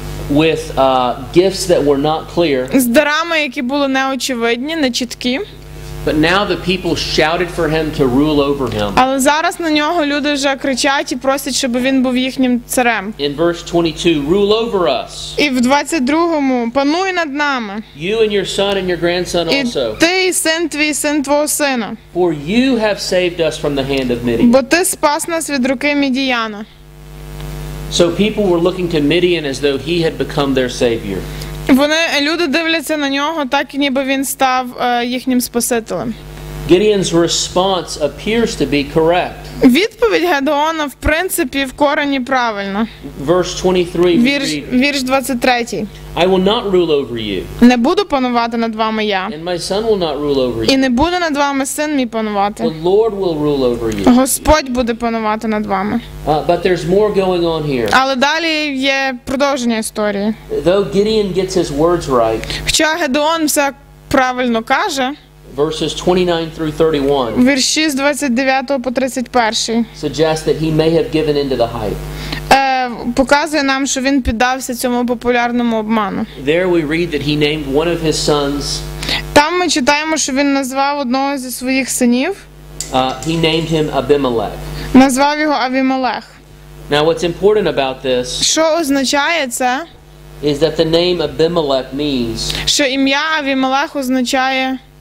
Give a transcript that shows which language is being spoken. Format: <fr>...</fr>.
<en>With gifts that were not clear.</en> <uk>З дарами, які були неочевидні, нечіткі.</uk> <en>But now the people shouted for him to rule over him.</en> <uk>Але зараз на нього люди вже кричать і просять, щоб він був їхнім царем.</uk> <en>In verse 22, rule over us.</en> <uk>І в 22-му, пануй над нами.</uk> <en>You and your son and your grandson also.</en> <uk>І ти, син твій, син твого сина.</uk> <en>For you have saved us from the hand of Midian.</en> <uk>Бо ти спас нас від руки Мідіяна.</uk> <en>So people were looking to Midian as though he had become their savior.</en> <uk>Люди дивляться на нього так, ніби він став їхнім спасителем.</uk> <en>Gideon's response appears to be correct.</en> <uk>Відповідь Гедеона, в принципі, в корені правильна.</uk> <en>Verse 23.</en> <uk>Вірш 23.</uk> <en>I will not rule over you.</en> <uk>Не буду панувати над вами я.</uk> <en>And my son will not rule over you.</en> <uk>І не буде над вами син мій панувати.</uk> <en>The Lord will rule over you.</en> <uk>Господь буде панувати над вами.</uk> <en>But there's more going on here.</en> <uk>Але далі є продовження історії.</uk> <en>Though Gideon gets his words right.</en> <uk>Хоча Гедеон все правильно каже.</uk> <en>Verses 29 through 31.</en> <uk>Вірші з 29 по 31.</uk> <en>Suggest that he may have given into the hype.</en> <uk>Показує нам, що він піддався цьому популярному обману.</uk> <en>There we read that he named one of his sons.</en> <uk>Там ми читаємо, що він назвав одного зі своїх синів.</uk> <en>He named him Abimelech.</en> <uk>Назвав його Авімелех.</uk> <en>Now what's important about this?</en> <uk>Що означає це?</uk> <en>Is that the name Abimelech means?</en> <uk>Що ім'я Авімелех означає?</uk>